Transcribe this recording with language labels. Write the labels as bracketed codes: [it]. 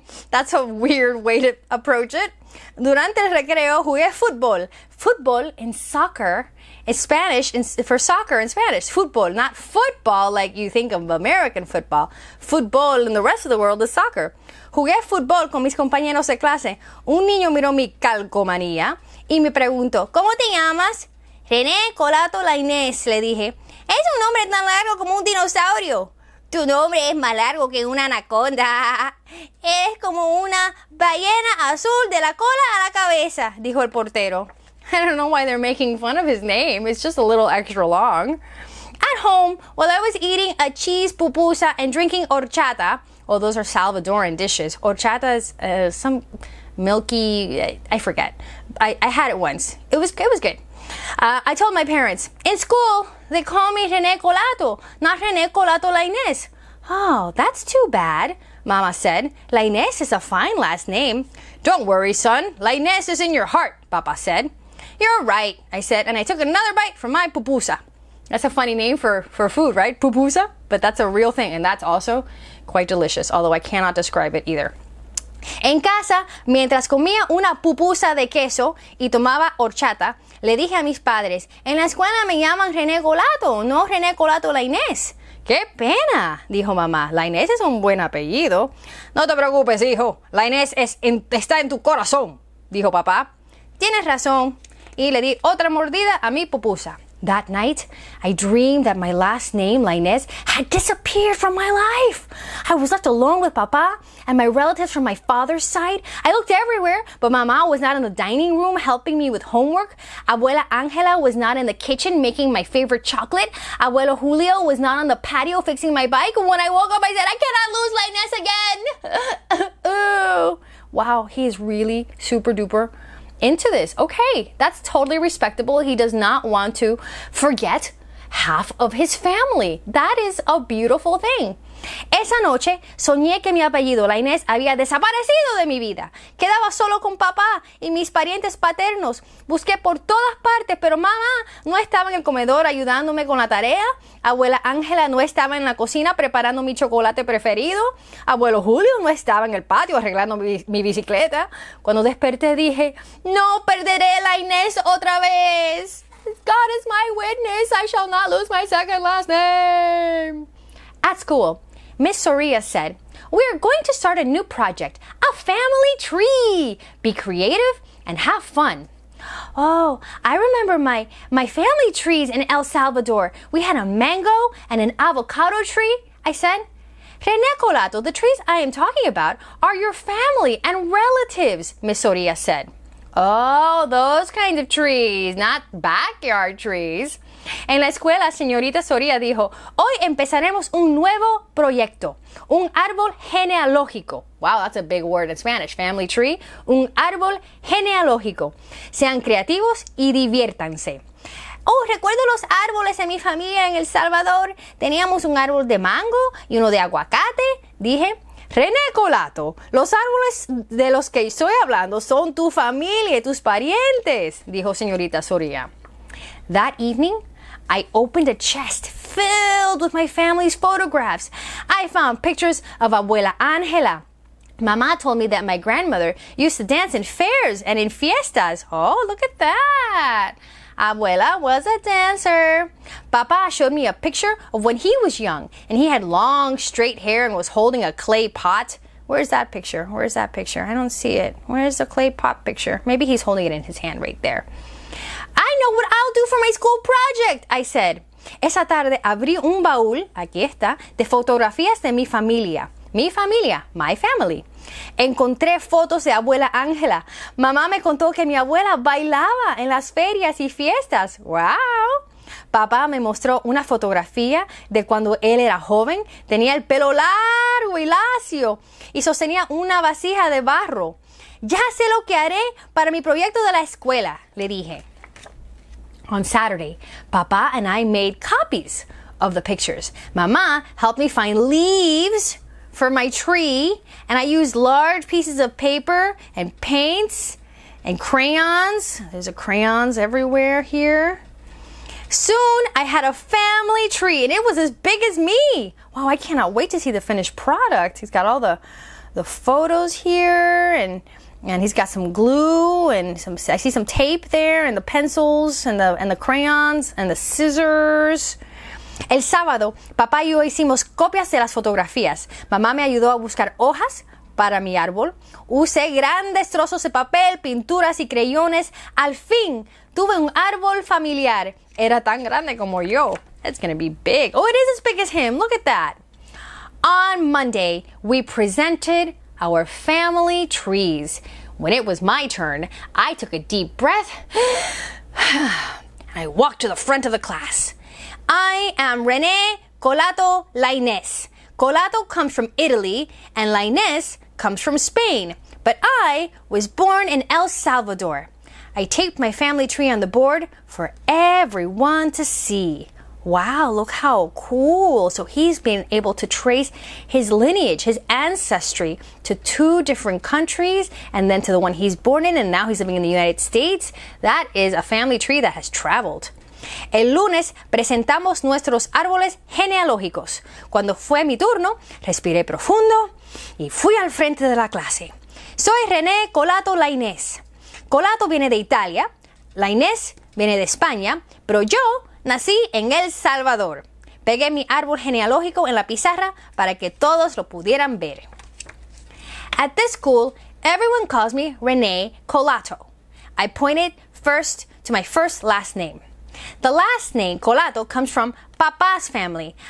[en] That's a weird way to approach it. [es] Durante el recreo jugué fútbol. [en] Fútbol in soccer is Spanish for soccer in Spanish. Fútbol, not football like you think of American football. Fútbol in the rest of the world is soccer. [es] Jugué fútbol con mis compañeros de clase. Un niño miró mi calcomanía y me preguntó, ¿cómo te llamas? René Colato Laínez, le dije. Es un nombre tan largo como un dinosaurio. Tu nombre es más largo que una anaconda. Es como una ballena azul de la cola a la cabeza, dijo el portero. [en] I don't know why they're making fun of his name. It's just a little extra long. At home, while I was eating a cheese pupusa and drinking horchata, oh, those are Salvadoran dishes. Horchata is some milky, I forget. I had it once. It was good. I told my parents, in school, they call me René Colato, not René Colato Laínez. Oh, that's too bad, Mama said. Laínez is a fine last name. Don't worry, son. Laínez is in your heart, Papa said. You're right, I said, and I took another bite from my pupusa. That's a funny name for food, right? Pupusa? But that's a real thing, and that's also quite delicious, although I cannot describe it either. [es] En casa, mientras comía una pupusa de queso y tomaba horchata, le dije a mis padres, en la escuela me llaman René Colato, no René Colato Laínez. ¡Qué pena! Dijo mamá. Laínez es un buen apellido. No te preocupes, hijo. Laínez está en tu corazón, dijo papá. Tienes razón. Y le di otra mordida a mi pupusa. [en] That night, I dreamed that my last name, Laínez, had disappeared from my life. I was left alone with Papa and my relatives from my father's side. I looked everywhere, but Mama was not in the dining room helping me with homework. Abuela Angela was not in the kitchen making my favorite chocolate. Abuelo Julio was not on the patio fixing my bike. When I woke up, I said, I cannot lose Laínez again. Ooh. Wow, he is really super duper into this. Okay, that's totally respectable. He does not want to forget half of his family. That is a beautiful thing. [es] Esa noche, soñé que mi apellido Laínez había desaparecido de mi vida. Quedaba solo con papá y mis parientes paternos. Busqué por todas partes, pero mamá no estaba en el comedor ayudándome con la tarea. Abuela Ángela no estaba en la cocina preparando mi chocolate preferido. Abuelo Julio no estaba en el patio arreglando mi bicicleta. Cuando desperté, dije, no perderé Laínez otra vez. [en] God is my witness, I shall not lose my second last name. At school, Miss Soria said, we are going to start a new project, a family tree. Be creative and have fun. Oh, I remember my family trees in El Salvador. We had a mango and an avocado tree, I said. René Colato, the trees I am talking about are your family and relatives, Miss Soria said. Oh, those kinds of trees, not backyard trees. [es] En la escuela, señorita Soria dijo, hoy empezaremos un nuevo proyecto, un árbol genealógico. [en] Wow, that's a big word in Spanish, family tree. [es] Un árbol genealógico. Sean creativos y diviértanse. Oh, recuerdo los árboles de mi familia en El Salvador. Teníamos un árbol de mango y uno de aguacate, dije. René Colato, los árboles de los que estoy hablando son tu familia y tus parientes, dijo señorita Soria. [en] That evening, I opened a chest filled with my family's photographs. I found pictures of Abuela Angela. Mama told me that my grandmother used to dance in fairs and in fiestas. Oh, look at that. Abuela was a dancer. Papa showed me a picture of when he was young, and he had long, straight hair and was holding a clay pot. Where's that picture? Where's that picture? I don't see it. Where's the clay pot picture? Maybe he's holding it in his hand right there. I know what I'll do for my school project, I said. [es] Esa tarde abrí un baúl, aquí está, de fotografías de mi familia. Mi familia, [en] my family. [es] Encontré fotos de abuela Ángela. Mamá me contó que mi abuela bailaba en las ferias y fiestas. [en] Wow. [es] Papá me mostró una fotografía de cuando él era joven. Tenía el pelo largo y lacio y sostenía una vasija de barro. Ya sé lo que haré para mi proyecto de la escuela, le dije. [en] On Saturday, Papá and I made copies of the pictures. Mamá helped me find leaves for my tree, and I used large pieces of paper and paints and crayons. There's a crayons everywhere here. Soon, I had a family tree, and it was as big as me. Wow, I cannot wait to see the finished product. He's got all the photos here, and he's got some glue, and I see some tape there, and the pencils, and the crayons, and the scissors. [es] El sábado, papá y yo hicimos copias de las fotografías. Mamá me ayudó a buscar hojas para mi árbol. Usé grandes trozos de papel, pinturas y creyones. Al fin, tuve un árbol familiar. Era tan grande como yo. [en] It's gonna be big. Oh, it is as big as him. Look at that. On Monday, we presented our family trees. When it was my turn, I took a deep breath. I walked to the front of the class. I am René Colato Laínez. Colato comes from Italy and Laínez comes from Spain, but I was born in El Salvador. I taped my family tree on the board for everyone to see. Wow, look how cool. So he's been able to trace his lineage, his ancestry, to two different countries and then to the one he's born in, and now he's living in the United States. That is a family tree that has traveled. [es] El lunes presentamos nuestros árboles genealógicos. Cuando fue mi turno, respiré profundo y fui al frente de la clase. Soy René Colato Laínez. Colato viene de Italia, Laínez viene de España, pero yo nací en El Salvador. Pegué mi árbol genealógico en la pizarra para que todos lo pudieran ver. [en] At this school, everyone calls me René Colato. I pointed first to my first last name. The last name, Colato, comes from Papa's family.